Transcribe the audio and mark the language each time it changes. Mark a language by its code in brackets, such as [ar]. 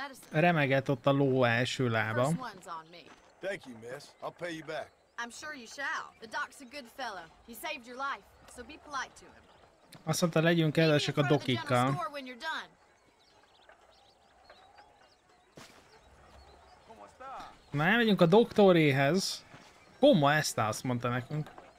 [hu] remegett ott a ló első lába. [en] Thank you, miss. I'll pay you back. I'm sure you shall. The doc's a good fellow. He saved your life, so be polite to him. [hu] Azt mondta, legyünk kedvesek a dokikkal. Na, elmegyünk a doktoréhez. [es] Como está, [hu] azt mondta nekünk.